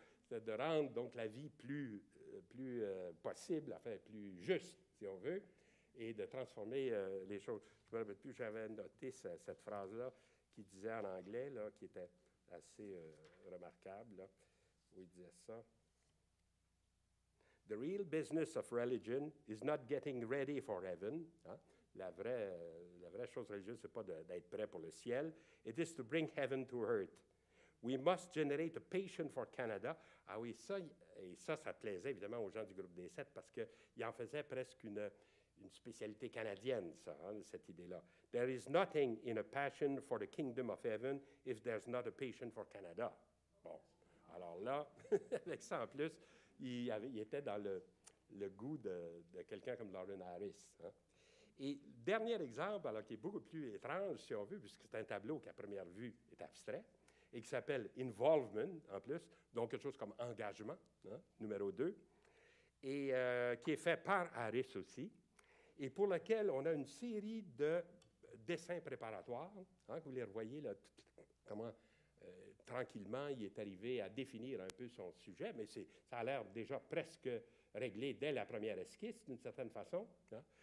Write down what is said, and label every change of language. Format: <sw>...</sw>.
<fr>C'est de rendre donc la vie plus possible, enfin plus juste, si on veut, et de transformer les choses. Je ne me rappelle plus, j'avais noté cette phrase-là qui disait en anglais, là, qui était assez remarquable, là, où il disait ça.</fr> <en>The real business of religion is not getting ready for heaven. Hein?</en> <fr>La vraie chose religieuse, ce n'est pas d'être prêt pour le ciel.</fr> <en>It is to bring heaven to earth. We must generate a patient for Canada.</en> <fr>Ah oui, ça plaisait évidemment aux gens du groupe des sept parce qu'il en faisait presque une spécialité canadienne, ça, hein, cette idée-là.</fr> <en>There is nothing in a passion for the kingdom of heaven if there's not a patient for Canada.</en> <fr>Bon, alors là, avec ça en plus, il était dans le goût de quelqu'un comme Lauren Harris. Hein. Et dernier exemple, alors qui est beaucoup plus étrange, si on veut, puisque c'est un tableau qui, à première vue, est abstrait, et qui s'appelle « Involvement », en plus, donc quelque chose comme « Engagement », hein, numéro 2, et qui est fait par Harris aussi, et pour lequel on a une série de dessins préparatoires, hein, que vous les revoyez là, comment tranquillement il est arrivé à définir un peu son sujet, mais ça a l'air déjà presque réglé dès la première esquisse, d'une certaine façon. Hein.</fr>